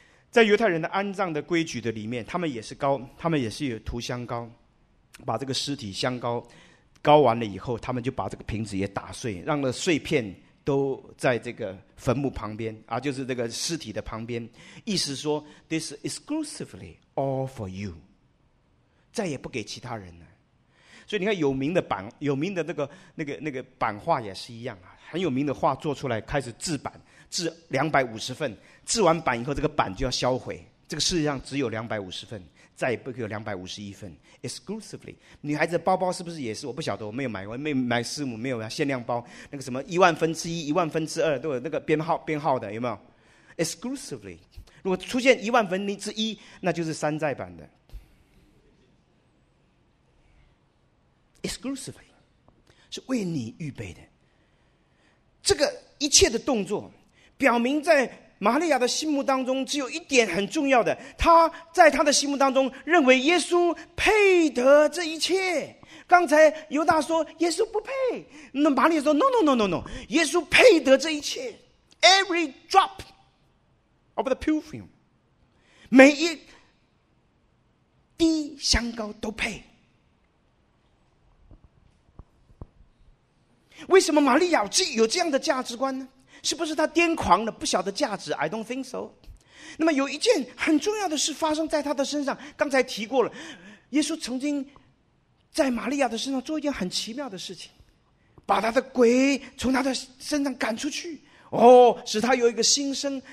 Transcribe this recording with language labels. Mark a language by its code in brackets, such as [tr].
[zh] 在犹太人的安葬的规矩的里面，他们也是有涂香膏，把这个尸体香膏高完了以后，他们就把这个瓶子也打碎，让那碎片都在这个坟墓旁边啊，就是这个尸体的旁边。意思说 [en] ，this is exclusively all for you， [zh] 再也不给其他人了。所以你看，有名的那个版画也是一样啊，很有名的画做出来，开始制版，制250份，制完版以后，这个版就要销毁。这个世界上只有250份。再也不可以有251份 exclusively。女孩子的包包是不是也是？我不晓得，我没有买，我没有买私母，没有限量包，那个什么1/1000、1/2000都有那个编号的，有没有 exclusively？如果出现1/1000，那就是山寨版的 exclusively， 是为你预备的。这个一切的动作表明，在玛利亚的心目当中只有一点很重要的，她在她的心目当中认为耶稣配得这一切。刚才犹大说耶稣不配，那玛利亚说 No, 耶稣配得这一切。 [en] Every drop of the perfume， [zh] 每一滴香膏都配。为什么玛利亚有这样的价值观呢？是不是他癫狂了，不晓得价值？ [en] I don't think so。 [zh] 那么有一件很重要的事发生在他的身上，刚才提过了，耶稣曾经在玛利亚的身上做一件很奇妙的事情，把他的鬼从他的身上赶出去，哦，使他有一个新生。